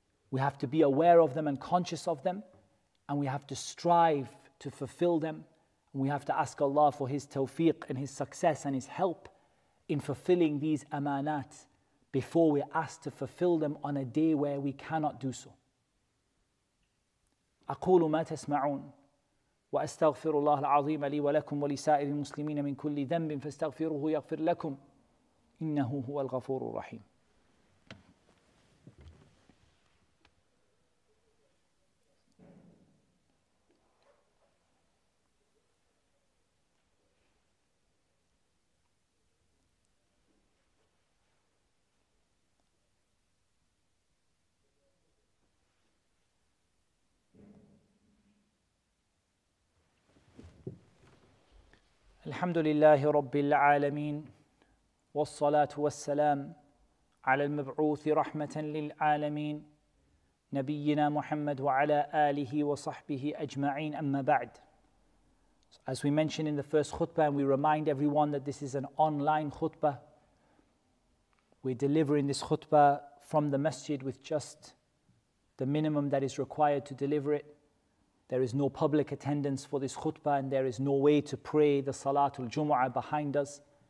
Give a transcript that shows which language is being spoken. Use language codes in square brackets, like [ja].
[en] We have to be aware of them and conscious of them, and we have to strive to fulfill them, and we have to ask Allah for His tawfiq and His success and His help in fulfilling these amanat before we're asked to fulfill them on a day where we cannot do so. [ar] أقول ما تسمعون وأستغفر الله العظيم لي ولكم ولسائر المسلمين من كل ذنب فاستغفروه يغفر لكم إنه هو الغفور الرحيم. الحمد لله رب العالمين والصلاة والسلام على المبعوث رحمة للعالمين نبينا محمد وعلى آله وصحبه أجمعين. أما بعد, [en] as we mentioned in the first khutbah, and we remind everyone that this is an online khutbah, we're delivering this khutbah from the masjid with just the minimum that is required to deliver it. There is no public attendance for this khutbah, and there is no way to pray the Salatul Jumu'ah behind us.